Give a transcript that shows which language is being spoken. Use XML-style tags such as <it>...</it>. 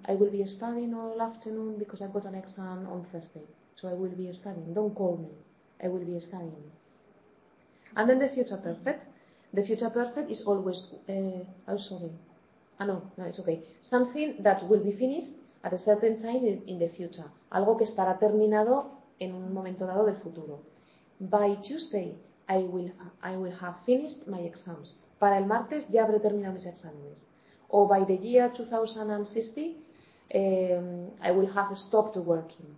<en>I will be studying all afternoon because I've got an exam on Thursday. So I will be studying. Don't call me. I will be studying. And then the future perfect. The future perfect is always, something that will be finished at a certain time in the future.</en> <es>Algo que estará terminado en un momento dado del futuro.</es> <en>By Tuesday, I will have finished my exams.</en> <es>Para el martes ya habré terminado mis exámenes.</es> <en>Or by the year 2060, I will have stopped working.</en>